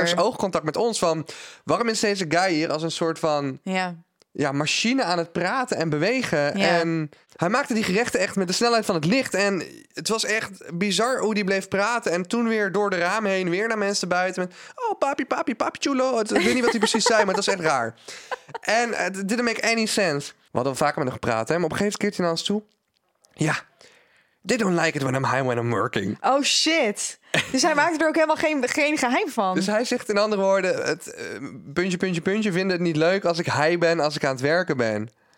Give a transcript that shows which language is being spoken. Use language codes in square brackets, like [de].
[nl] Eerst oogcontact met ons van waarom is deze guy hier als een soort van ja machine aan het praten en bewegen. Ja. En hij maakte die gerechten echt met de snelheid van het licht en het was echt bizar hoe die bleef praten en toen weer door de ramen heen weer naar mensen buiten met [es] oh papi chulo. [nl] Ik weet niet wat hij precies zei, maar dat is echt raar. [en] En it didn't make any sense. [nl] We hadden vaker met hem gepraat, hè? Maar op een gegeven moment keert hij naar ons toe. [en] Ja, they don't like it when I'm high, when I'm working. Oh shit. [nl] Dus hij maakte er ook helemaal geen geheim van. Dus hij zegt in andere woorden, het puntje, vinden het niet leuk als ik high ben, als ik aan het werken ben.